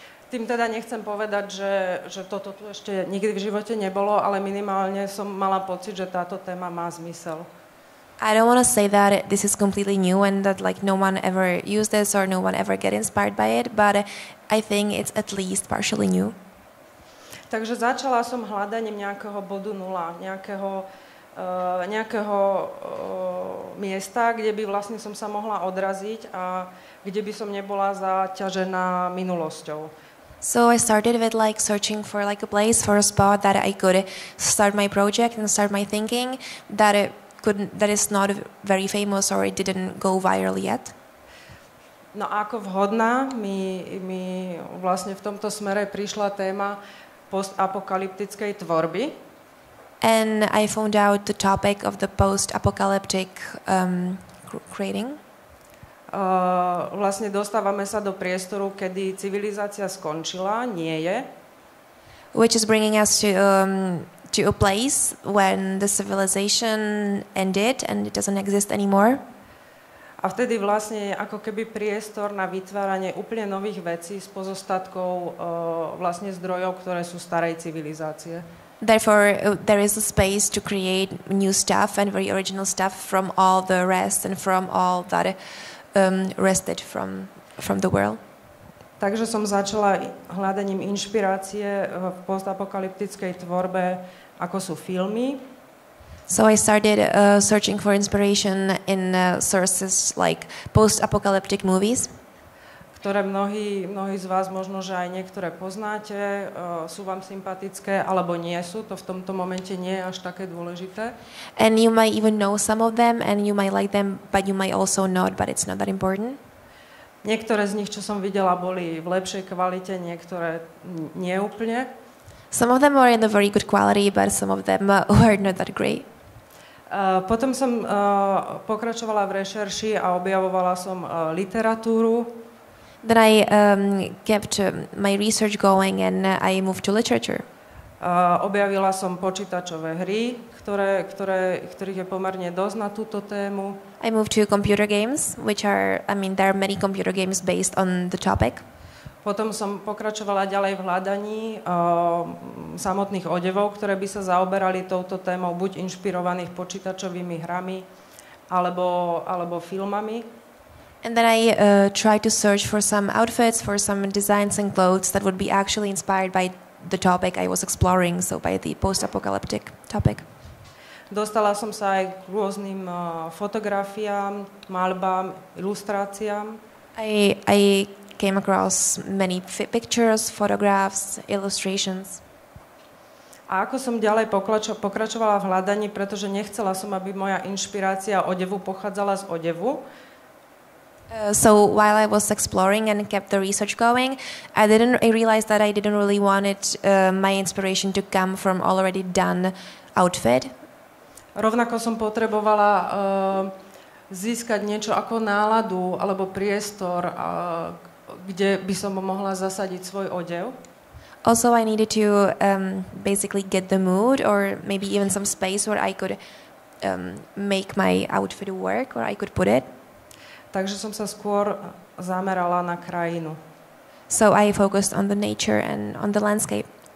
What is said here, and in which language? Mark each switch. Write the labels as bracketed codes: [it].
[sk] Tým teda nechcem povedať, že toto tu ešte nikdy v živote nebolo, ale minimálne som mala pocit, že táto téma má zmysel. [en] I don't want to say that this is completely new and that like no one ever used this or no one ever get inspired by it, but I think it's at least partially new. [sk] Takže začala som hľadaním nejakého bodu nula, nejakého miesta, kde by vlastne som sa mohla odraziť a kde by som nebola zaťažená minulosťou. [en] So I started with like searching for like a place, for a spot that I could start my project and start my thinking that is not very famous or it didn't go viral yet. [sk] No ako vhodná mi vlastne v tomto smere prišla téma postapokalyptickej tvorby. [en] And I found out the topic of the post-apocalyptic creating. [sk] Vlastne dostávame sa do priestoru, kedy civilizácia skončila, nie je. [en] Which is bringing us to to a place when the civilization ended and it doesn't exist anymore. [sk] A vtedy vlastne ako keby priestor na vytváranie úplne nových vecí s pozostatkou vlastne zdrojov, ktoré sú starej civilizácie. [en] Therefore, there is a space to create new stuff and very original stuff from all the rest and from all that rested from the world. [sk] Takže som začala hľadaním inšpirácie v postapokalyptickej tvorbe, ako sú filmy. [en] So I started searching for inspiration in sources like post-apocalyptic movies. [sk] Ktoré mnohí z vás možno, že aj niektoré poznáte, sú vám sympatické, alebo nie sú, to v tomto momente nie je až také dôležité. [en] And you might even know some of them and you might like them, but you might also not, but it's not that important. [sk] Niektoré z nich, čo som videla, boli v lepšej kvalite, niektoré nie úplne. [en] Some of them were in the very good quality, but some of them were not that great. [sk] Potom som pokračovala v rešerši a objavovala som literatúru. [en] Then I kept my research going and I moved to literature. [sk] Objavila som počítačové hry, ktorých je pomerne dosť na túto tému. [en] I moved to computer games, there are many computer games based on the topic. [sk] Potom som pokračovala ďalej v hľadaní samotných odevov, ktoré by sa zaoberali touto témou, buď inšpirovaných počítačovými hrami, alebo filmami. [en] And then I tried to search for some outfits, for some designs and clothes that would be actually inspired by the topic I was exploring, so by the post-apocalyptic topic. [sk] Dostala som sa aj k rôznym fotografiám, maľbám, ilustráciám. [en] I came across many pictures, photographs, illustrations. [sk] A ako som ďalej pokračovala v hľadaní, pretože nechcela som, aby moja inšpirácia odevu pochádzala z odevu. [en] So while I was exploring and kept the research going, I realized that I didn't really want it my inspiration to come from already done outfit. [sk] Rovnako som potrebovala získať niečo ako náladu alebo priestor, kde by som mohla zasadiť svoj odev. [en] Also I needed to basically get the mood or maybe even some space where I could make my outfit work, where I could put it. [sk] Takže som sa skôr zamerala na krajinu. [en] So I focused on the nature and on the landscape.